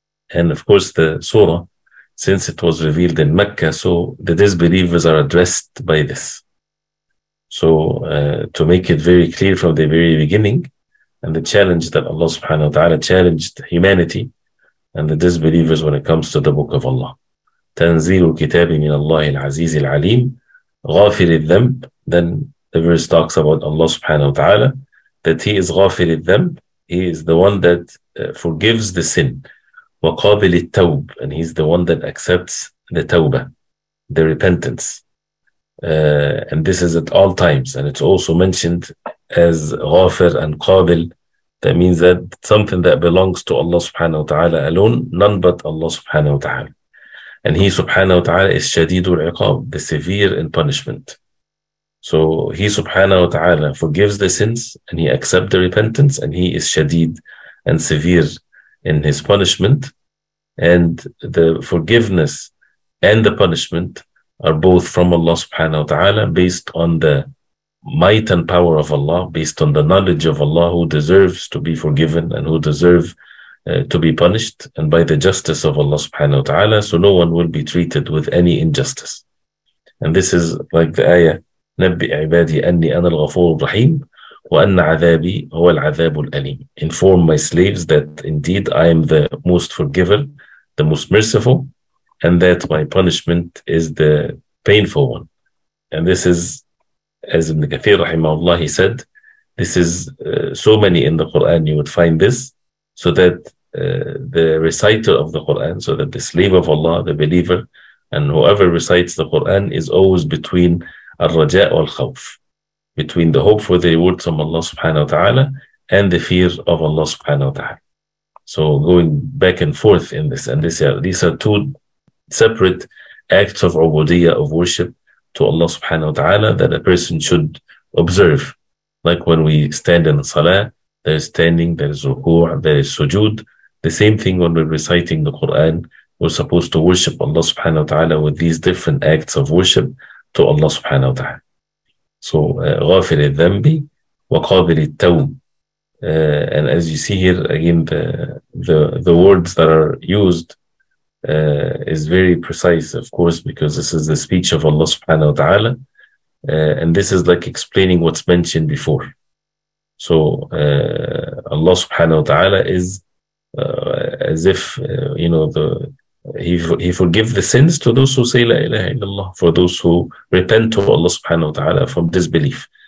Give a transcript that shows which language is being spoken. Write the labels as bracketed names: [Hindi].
[English] And of course the surah, since it was revealed in Mecca, so the disbelievers are addressed by this. So to make it very clear from the very beginning, and the challenge that Allah subhanahu wa ta'ala challenged humanity and the disbelievers when it comes to the book of Allah. [Arabic] تنزيل الكتاب من الله العزيز العليم غافر الذنب. [English] Then the verse talks about Allah subhanahu wa ta'ala, that he is [Arabic] غافر الذنب, [English] he is the one that forgives the sin, [Arabic] وقابل التوب, [English] and he's the one that accepts the tawbah, the repentance. And this is at all times, and it's also mentioned as غافر and قابل. That means that something that belongs to Allah subhanahu wa ta'ala alone, none but Allah subhanahu wa ta'ala. And he subhanahu wa ta'ala is [Arabic] شديد العقاب, [English] the severe in punishment. So he subhanahu wa ta'ala forgives the sins and he accepts the repentance, and he is shadid and severe in his punishment. And the forgiveness and the punishment are both from Allah subhanahu wa ta'ala, based on the might and power of Allah, based on the knowledge of Allah, who deserves to be forgiven and who deserves to be punished, and by the justice of Allah subhanahu wa ta'ala. So no one will be treated with any injustice. And this is like the ayah, [Arabic] نبئ عبادي أني أنا الغفور الرحيم وأن عذابي هو العذاب الأليم. [English] Inform my slaves that indeed I am the most forgiver, the most merciful, and that my punishment is the painful one. And this is, as Ibn Kathir رحمه الله, he said, this is so many in the Quran you would find this, so that the reciter of the Quran, so that the slave of Allah, the believer, and whoever recites the Quran is always between [Arabic] الرجاء والخوف, [English] between the hope for the rewards from Allah subhanahu wa ta'ala and the fear of Allah subhanahu wa ta'ala. So going back and forth in this, and this, these are two separate acts of ubudiyya, of worship to Allah subhanahu wa ta'ala, that a person should observe. Like when we stand in salah, there is standing, there is ruku', there is sujood. The same thing when we're reciting the Quran, we're supposed to worship Allah subhanahu wa ta'ala with these different acts of worship to Allah subhanahu wa ta'ala. [Arabic] So غافر الذنب وقابل التوب. [English] And as you see here again, the words that are used is very precise, of course, because this is the speech of Allah subhanahu wa ta'ala, and this is like explaining what's mentioned before. So Allah subhanahu wa ta'ala is as if you know, the He forgives the sins to those who say La ilaha illallah, for those who repent to Allah subhanahu wa ta'ala from disbelief.